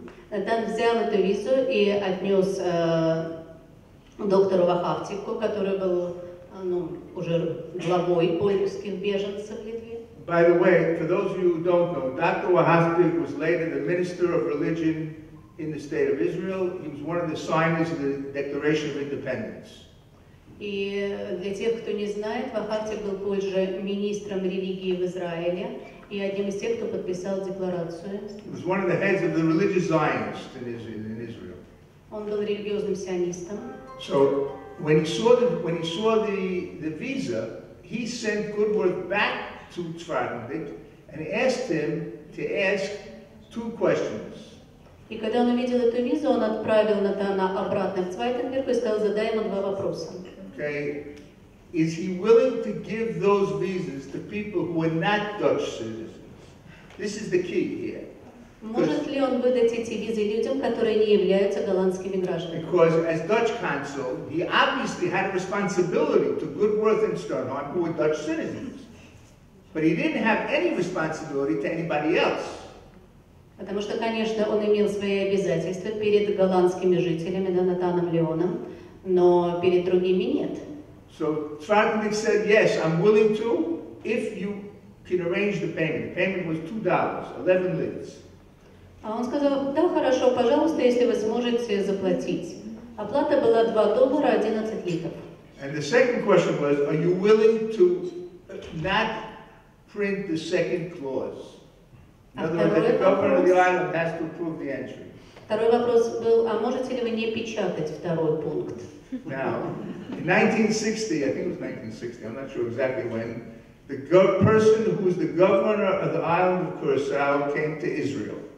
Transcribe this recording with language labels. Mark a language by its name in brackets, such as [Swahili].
[Russian] Натан взял эту визу и отнес доктору Вахавтику, который был, ну, уже главой польских беженцев в Литве. [English] By the way, for those of you who don't know, Dr. Wahavtik was later the minister of religion in the state of Israel. He was one of the signers of the Declaration of Independence. [Russian] И для тех, кто не знает, Вахавтик был позже министром религии в Израиле и одним из тех, кто подписал декларацию. [English] He was one of the heads of the religious Zionists in Israel. [Russian] Он был религиозным сионистом. [English] So when he saw the visa, he sent Goodworth back to Svartnik and asked him to ask two questions. [Russian] И когда он увидел эту визу, он отправил Натана обратно в Цвайтенберг и сказал, задай ему два вопроса. [English] Okay. Is he willing to give those visas to people who are not Dutch citizens? This is the key here. [Russian] Может ли он выдать эти визы людям, которые не являются голландскими гражданами? [English] Because as Dutch consul, he obviously had a responsibility to Goodworth and Sternhardt, who were Dutch citizens. But he didn't have any responsibility to anybody else. [Russian] Потому что, конечно, он имел свои обязательства перед голландскими жителями, да, Натаном Леоном, но перед другими нет. [English] So Trondheim said, yes, I'm willing to, if you can arrange the payment. The payment was $2, 11 livres. [Russian] А он сказал, да, хорошо, пожалуйста, если вы сможете заплатить. Оплата была $2, 11 литров. [English] And the second question was, are you willing to not print the second clause? In other words, the governor of the island has to approve the entry. [Russian] Второй вопрос был, а можете ли вы не печатать второй пункт? [English] Now, in 1960, I think it was 1960, I'm not sure exactly when, the person who was the governor of the island of Curaçao came to Israel.